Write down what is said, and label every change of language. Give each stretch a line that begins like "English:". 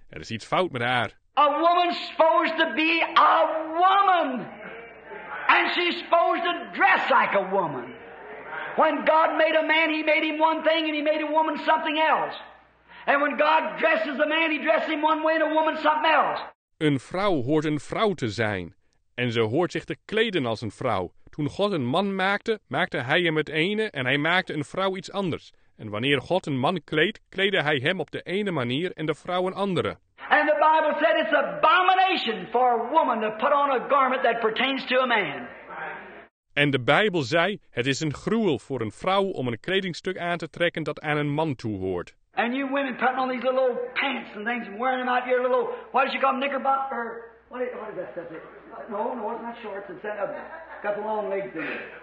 Dutch: Er is iets fout met haar.
English: A woman's supposed to be a woman. And she's supposed to dress like a woman. When God made a man, he made him one thing and he made a woman something else. And when God dresses a man, he dresses him one way and a woman something else.
Dutch: Een vrouw hoort een vrouw te zijn. En ze hoort zich te kleden als een vrouw. Toen God een man maakte, maakte hij hem het ene en hij maakte een vrouw iets anders. En wanneer God een man kleedt, kleedde hij hem op de ene manier en de vrouw een andere.
English: And the Bible said it's abomination for a woman to put on a garment that pertains to a man.
Dutch: En de Bijbel zei, het is een gruwel voor een vrouw om een kledingstuk aan te trekken dat aan een man toehoort.
English: And you women putting on these little old pants and things and wearing them out here, little old, what did you call them, knickerbocker? What is that stuff? No, no, it's not shorts. It's that, got the long legs in it.